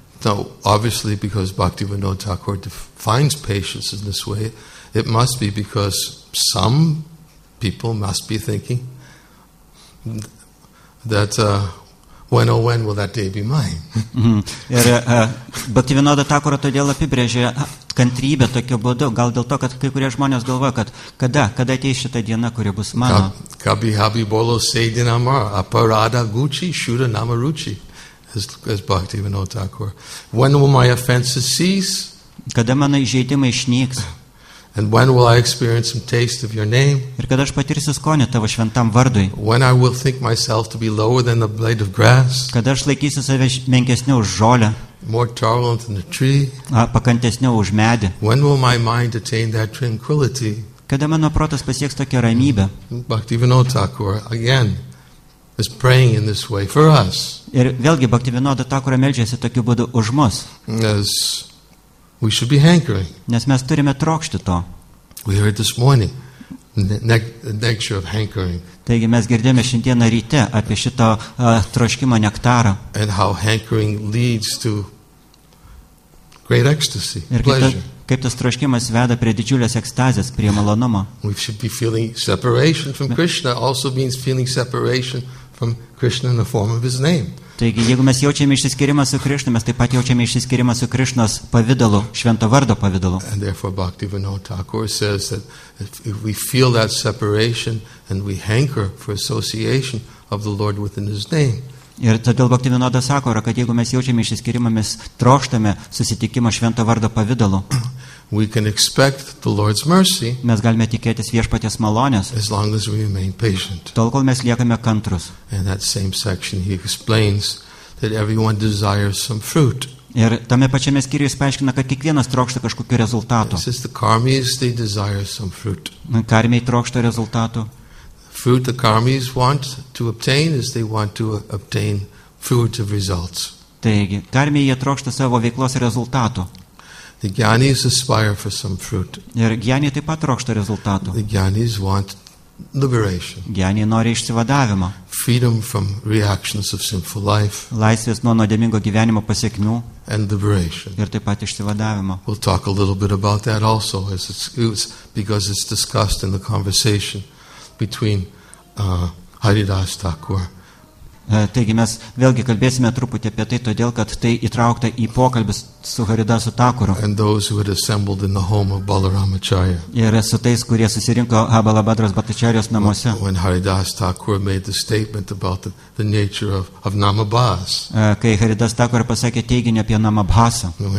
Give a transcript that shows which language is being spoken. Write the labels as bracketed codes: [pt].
[en] So, obviously, because Bhaktivinoda Thakur defines patience in this way, it must be because some people must be thinking that when or when will that day be mine? [lt] Ir Bhaktivinoda Thakur todėl apibrėžė kantrybę tokiu būdu, gal dėl to, kad kai kurie žmonės galvoja, kad kada ateis šita diena, kuri bus mano. [bn] Kabi habi bolo seidinamar aparada guchi shura namaruchi, [en] as Bhaktivinoda Thakur. When will my offenses cease? [lt] Kada mano įžeidimai išnyks? [en] And when will I experience some taste of your name? [lt] Ir kada aš patirsiu skonį tavo šventam vardui? [en] When I will think myself to be lower than the blade of grass? [lt] Kada aš laikysiu save menkesniu už žolę? [en] More tolerant than the tree? [lt] Pakantesniu už medį? [en] When will my mind attain that tranquility? [lt] Kada mano protas pasieks tokią ramybę? [en] Bhaktivinoda Thakur again is praying in this way for us. [lt] Ir vėlgi Bhaktivinoda Thakur meldžiasi tokiu būdu už mus. [en] Yes. We should be hankering. [lt] Nes mes turime trokšti to. [en] We heard this morning the nature of hankering. [lt] Taigi mes girdėjome šiandieną ryte apie šito troškimo nektarą. [en] And how hankering leads to great ecstasy, pleasure. [lt] Kaip tas troškimas veda prie didžiulės ekstazės, prie malonumo. [en] We should be feeling separation from Krishna also means feeling separation from Krishna in the form of his name. [lt] Taigi, jeigu mes jaučiame išsiskirimą su Krishna, mes taip pat jaučiame išsiskirimą su Krishnos pavidalu, švento vardo pavidalu. [en] And therefore Bhaktivinoda Thakur says that if we feel that separation and we hanker for association of the Lord within his name. [lt] Ir todėl Bhaktivinoda sako, kad jeigu mes jaučiame išsiskirimą, mes troštame susitikimo švento vardo pavidalu. [en] We can expect the Lord's mercy. [lt] Mes galime tikėtis viešpaties malonės. [en] As long as we remain patient. [lt] Tol, kol mes liekame kantrus. [en] In that same section he explains that everyone desires some fruit. [lt] Ir tame pačiame skyriuje paaiškina, kad kiekvienas trokšta kažkokio rezultato. [en] It says the karmis, they desire some fruit. [lt] Karmiai trokšta rezultato. [en] Fruit the karmis want to obtain is they want to obtain fruit of results. [lt] Taigi, karmiai trokšta savo veiklos rezultato. [en] The gyanis aspire for some fruit. [lt] Ir gyaniai taip pat trokšta rezultatų. [en] The gyanis want liberation. [lt] Gyani nori išsivadavimo. [en] Freedom from reactions of sinful life. [lt] Laisvės nuo nuodėmingo gyvenimo pasiekmių. [en] And liberation. [lt] Ir taip pat išsivadavimo. [en] We'll talk a little bit about that also, as it's because it's discussed in the conversation between Haridas Thakur. [lt] Taigi mes vėlgi kalbėsime truputį apie tai, todėl kad tai įtraukta į pokalbis su Haridasu Thakuru. Ir su tais, kurie susirinko Balabhadras Bhattacharyos namuose. Kai Haridas Thakur pasakė teiginį apie Namabhasą.